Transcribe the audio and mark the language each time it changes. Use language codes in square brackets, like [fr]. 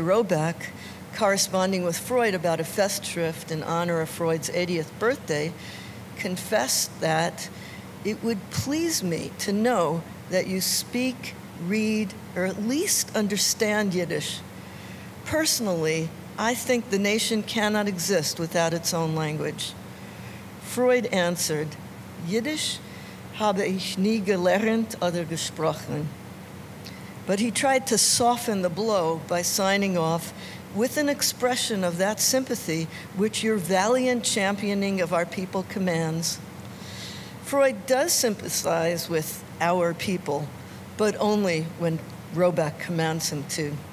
[en] Roback, corresponding with Freud about a festschrift in honor of Freud's 80th birthday, confessed that it would please me to know that you speak, read, or at least understand Yiddish. Personally, I think the nation cannot exist without its own language. Freud answered, [de] Yiddish habe ich nie gelernt oder gesprochen. [en] But he tried to soften the blow by signing off with an expression of that sympathy which your valiant championing of our people commands. Freud does sympathize with our people, but only when Roback commands him to.